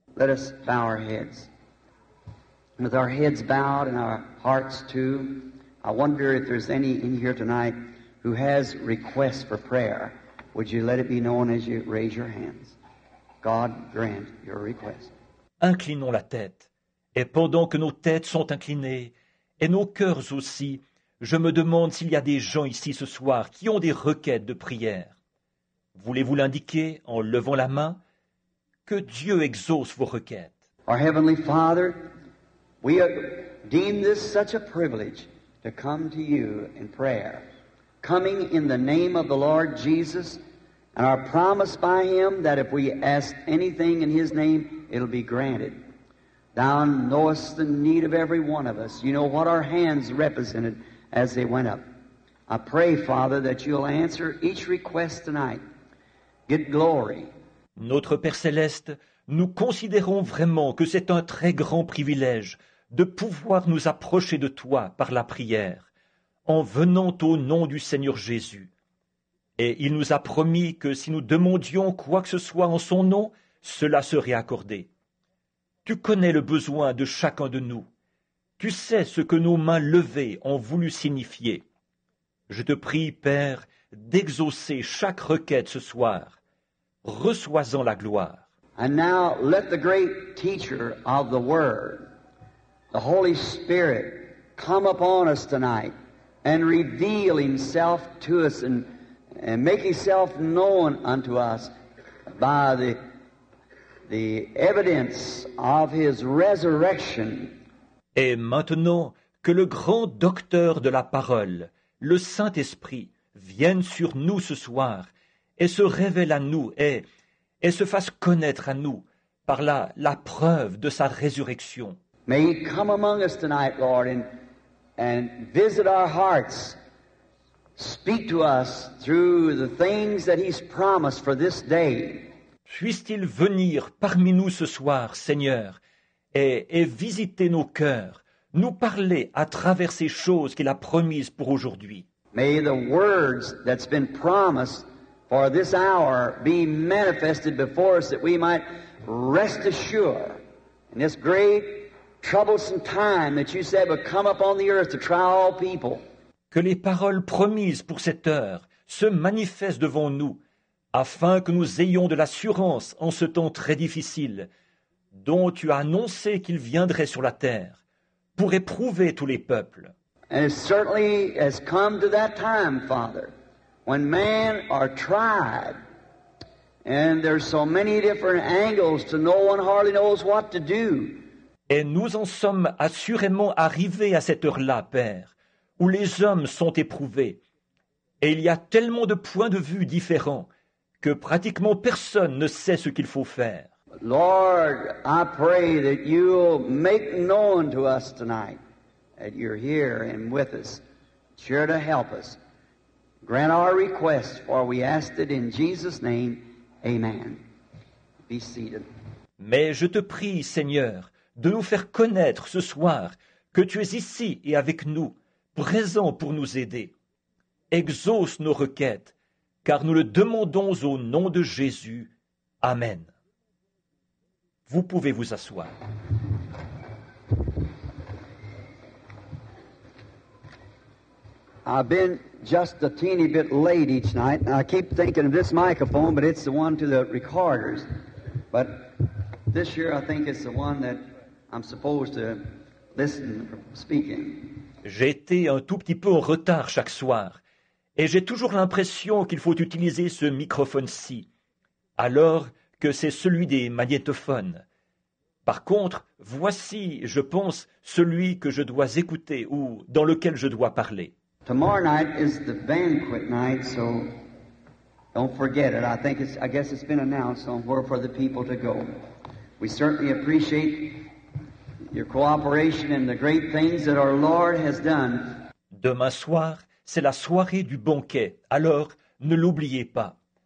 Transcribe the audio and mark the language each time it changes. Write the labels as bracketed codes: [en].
[en] Let us bow our heads. With our heads bowed and our hearts too, I wonder if there's any in here tonight who has requests for prayer, would you let it be known as you raise your hands? God grant your request. [fr] Inclinons la tête. Et pendant que nos têtes sont inclinées, et nos cœurs aussi, je me demande s'il y a des gens ici ce soir qui ont des requêtes de prière. Voulez-vous l'indiquer en levant la main? Que Dieu exauce vos requêtes. [en] Our Heavenly Father, we deem this such a privilege to come to you in prayer. Coming in the name of the Lord Jesus, and are promised by Him that if we ask anything in His name, it'll be granted. Thou knowest the need of every one of us. You know what our hands represented as they went up. I pray, Father, that You'll answer each request tonight. Get glory. [fr] Notre Père Céleste, Nous considérons vraiment que c'est un très grand privilège de pouvoir nous approcher de toi par la prière, en venant au nom du Seigneur Jésus. Et il nous a promis que si nous demandions quoi que ce soit en son nom, cela serait accordé. Tu connais le besoin de chacun de nous. Tu sais ce que nos mains levées ont voulu signifier. Je te prie, Père, d'exaucer chaque requête ce soir. Reçois-en la gloire. [en] And now let the great teacher of the Word, the Holy Spirit, come upon us tonight and reveal himself to us and make himself known unto us by the evidence of his resurrection. [fr] Et maintenant que le grand docteur de la parole, le Saint-Esprit, vienne sur nous ce soir et se révèle à nous et se fasse connaître à nous par la preuve de sa résurrection. [en] May he come among us tonight, Lord, and visit our hearts. Speak to us through the things that he's promised for this day. [fr] Puisse-t-il venir parmi nous ce soir, Seigneur, et visiter nos cœurs, nous parler à travers ces choses qu'il a promises pour aujourd'hui. [en] May the words that's been promised for this hour be manifested before us that we might rest assured in this great troublesome time that you said would come upon the earth to try all people. [fr] Que les paroles promises pour cette heure se manifestent devant nous, afin que nous ayons de l'assurance en ce temps très difficile, dont tu as annoncé qu'il viendrait sur la terre, pour éprouver tous les peuples. [en] And it certainly has come to that time, Father. When men are tried, and there's so many different angles to no one hardly knows what to do. [fr] Et nous en sommes assurément arrivés à cette heure-là, Père, où les hommes sont éprouvés. Et il y a tellement de points de vue différents que pratiquement personne ne sait ce qu'il faut faire. [en] Lord, I pray that you'll make known to us tonight that you're here and with us, sure to help us. Grant our request, for we ask it in Jesus' name. Amen. Be seated. [fr] Mais je te prie, Seigneur, de nous faire connaître ce soir que tu es ici et avec nous, présent pour nous aider. Exauce nos requêtes, car nous le demandons au nom de Jésus. Amen. Vous pouvez vous asseoir. [en] I've been just a teeny bit late each night. I keep thinking of this microphone, but it's the one to the recorders. But this year I think it's the one that I'm supposed to listen to speaking. [fr] J'ai été un tout petit peu en retard chaque soir, et j'ai toujours l'impression qu'il faut utiliser ce microphone-ci, alors que c'est celui des magnétophones. Par contre, voici, je pense, celui que je dois écouter ou dans lequel je dois parler. [en] Tomorrow night is the banquet night, so don't forget it. I guess it's been announced on where for the people to go. We certainly appreciate your cooperation and the great things that our Lord has done. [fr] Demain soir, c'est la soirée du banquet. Alors, ne l'oubliez pas.